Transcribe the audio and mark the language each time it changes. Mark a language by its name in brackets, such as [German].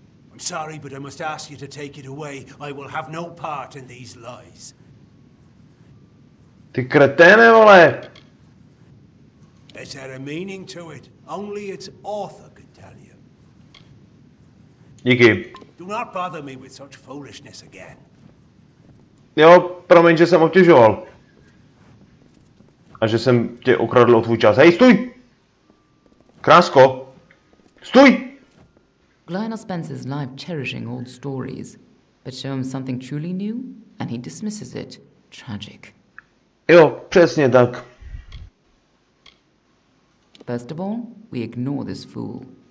[English] I'm sorry, but I must ask you to take it away. I will have no part in these lies. [Czech] Ty kreténe, vole! [English] Is there a meaning to it? Only its author could tell you. [Czech] Díky. [English] Do not bother me with such foolishness again. [Czech] Jo, promiň, že jsem obtěžoval. A že jsem tě ukradl o tvůj čas. Hej, stůj! Krásko! Stůj! [English] Glyna spends his life cherishing old stories, but show him something truly new and he dismisses it. Tragic. [Czech] Jo, přesně tak. [English] First of all, we ignore this fool.